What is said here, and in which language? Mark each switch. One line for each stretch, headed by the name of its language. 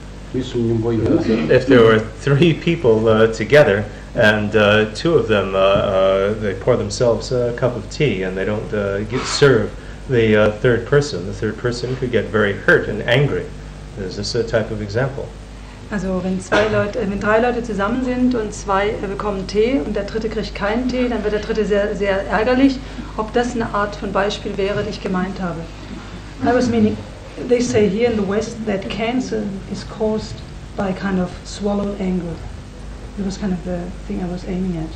English: If there were three people together and two of them they pour themselves a cup of tea and they don't get serve the third person could get very hurt and angry. Is this a type of example?
German: Also wenn drei Leute zusammen sind und zwei bekommen Tee und der dritte kriegt keinen Tee, dann wird der dritte sehr, sehr ärgerlich. Ob das eine Art von Beispiel wäre, die ich gemeint habe?
English: I was meaning, they say here in the West that cancer is caused by kind of swallowed anger. It was kind of the thing I was aiming at.